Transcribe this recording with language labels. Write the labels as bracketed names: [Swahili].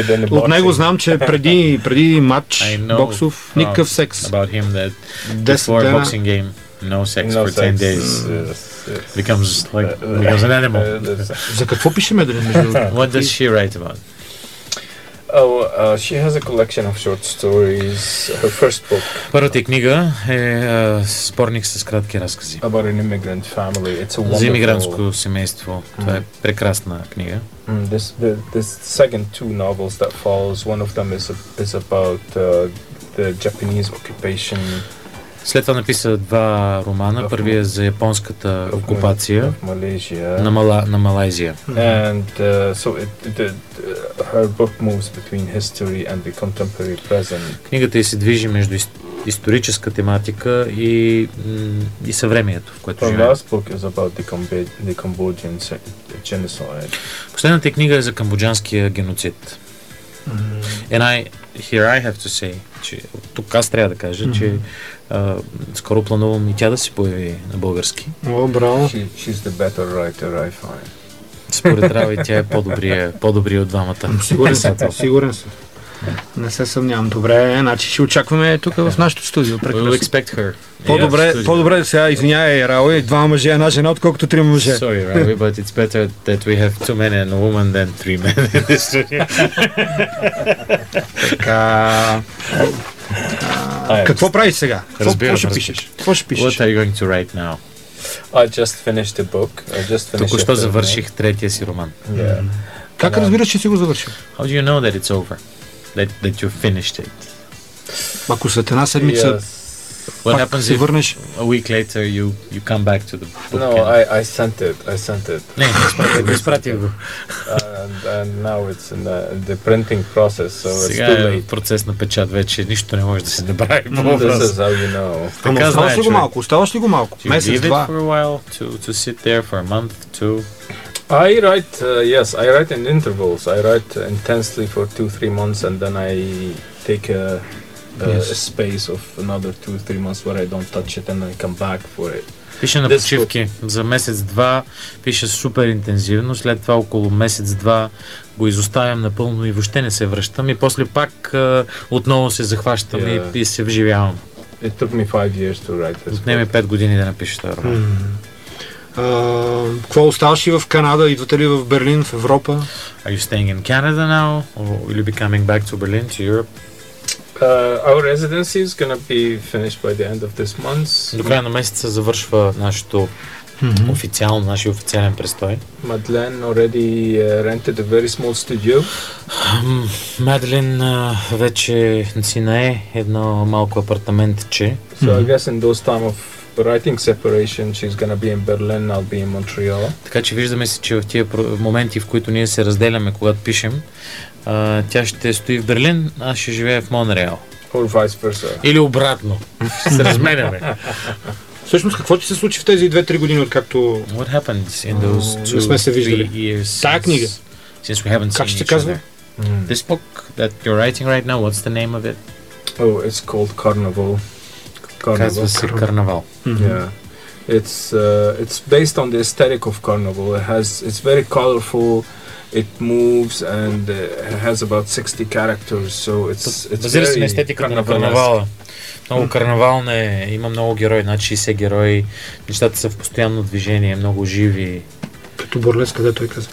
[Bulgarian] От него знам, че преди матч боксов, никакъв секс. [English] About him that before boxing game, no sex for 10 days. Becomes an animal. [Bulgarian] За какво пише Меделин? [English] What does she write about? She has a collection of short stories, her first book. [Bulgarian] Първата книга е сборник с кратки разкази. [English] About an immigrant family. It's a wonderful... [Bulgarian] За имигрантско семейство. Това е прекрасна книга. [English] This second two novels that follows, one of them is about the Japanese occupation. [Bulgarian] След това написа два романа. Първият е за японската окупация на Малайзия. [English] And so her book moves between history and the contemporary present. [Bulgarian] Книгата ѝ се движи между историческа тематика и съвремието, в което живеем. [English] Her last book is about the Cambodian genocide. [Bulgarian] Последната книга е за камбоджанския геноцид. [English] And I here I have to say, [Bulgarian] че тук аз трябва да кажа, че скоро планувам и тя да се появи на български. О, браво. [English] She's the better writer, I find. [Bulgarian] Според Рави, тя е по-добрия от двамата. Сигурен съм. Сигурен съм. Не се съмнявам. Добре, значи ще очакваме тук в нашото студио. [English] We will expect her. [Bulgarian] По-добре сега, извинявай, Рави, два мъже, една жена, отколкото три мъже. [English] Sorry, Рави, but it's better that we have two men and a woman than three men in this studio. [Bulgarian] Така... Какво правиш сега? Какво ще пишеш? [English] What are you going to write now? I just finished a book. [Bulgarian] Току-що завърших третия си роман. [English] Yeah. [Bulgarian] Как разбираш, че си го завършил? [English] How do you know that it's over? That you finished it? [Bulgarian] Ако след една седмица се върнеш? [English] A week later you come back to the book. No, I sent it. [Bulgarian] Не, изпратих го. [English] And now it's in the printing process, so it's [Bulgarian] сега [English] too late. [Bulgarian] Сега е процес на печат, вече нищо не може да се направи. [English] This is how you know. [Bulgarian] Така, оставаш ли го малко? Оставаш ли го малко? Месец, два? [English] You leave it for a while to sit there for a month, two? I write, yes, I write in intervals. I write intensely for 2-3 months and then I take a space of another 2-3 months where I don't touch it and I come back for it. [Bulgarian] Пише на почивки. За месец-два пише супер интензивно. След това около месец-два го изоставям напълно и въобще не се връщам. И после пак отново се захващам и се вживявам. [English] It took me 5 years to write this. [Bulgarian] Отнеме 5 години да напиша това роман. Какво оставаш ли в Канада? Идвате ли в Берлин, в Европа? [English] Are you staying in Canada now? Or will you be coming back to Berlin, to Europe? Our residency is gonna be finished by the end of this month. [Bulgarian] До края на месеца завършва нашето официално, нашия официален престой. [English] Madeleine already rented a very small studio. [Bulgarian] Madeleine вече си нае едно малко апартаментче. [English] So I guess in those time of writing separation, she's gonna be in Berlin, I'll be in Montreal. [Bulgarian] Така че виждаме се, че в тия моменти, в които ние се разделяме, когато пишем, тя ще стои в Берлин, аз ще живея в Монреал. [English] Or vice versa. [Bulgarian] Или обратно. Се разменяме. Всъщност, какво ти се случи в тези 2-3 години, откакто... [English] What happens in those 2-3 years? [Bulgarian] Тая книга. [English] Since we haven't seen each other. [Bulgarian] Как ще се казва? [English] This book that you're writing right now, what's the name of it? Oh, it's called Carnival. [Bulgarian] Казва се Карнавал. [English] Yeah. It's based on the aesthetic of Carnival. It's very colorful. It moves and has about 60 characters, so [Bulgarian] базира се на естетиката на карнавала. Много карнавална е, има много герои, над 60 герои. Нещата са в постоянно движение, много живи. Като бурлеска, да, той казва.